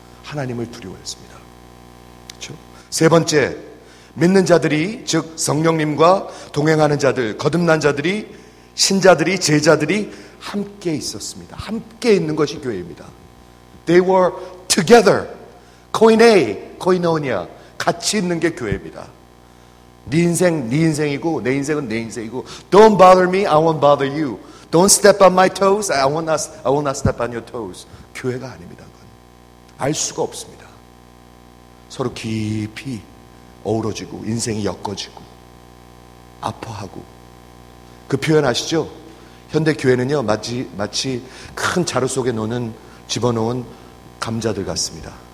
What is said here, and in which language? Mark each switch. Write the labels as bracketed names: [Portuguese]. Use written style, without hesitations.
[Korean] 하나님을 두려워했습니다. 그렇죠? 세 번째, 믿는 자들이 즉 성령님과 동행하는 자들, 거듭난 자들이 신자들이 제자들이 함께 있었습니다. 함께 있는 것이 교회입니다. [English] They were together. Koine, koinonia. [Korean] 같이 있는 게 교회입니다. 네 인생, 네 인생이고 내 인생은 내 인생이고 [English] Don't bother me, I won't bother you. Don't step on my toes, I will not step on your toes. [Korean] 교회가 아닙니다. 그건 알 수가 없습니다. 서로 깊이 어우러지고 인생이 엮어지고 아파하고 그 표현 아시죠? 현대 교회는요 마치 큰 자루 속에 놓는 집어넣은 감자들 같습니다.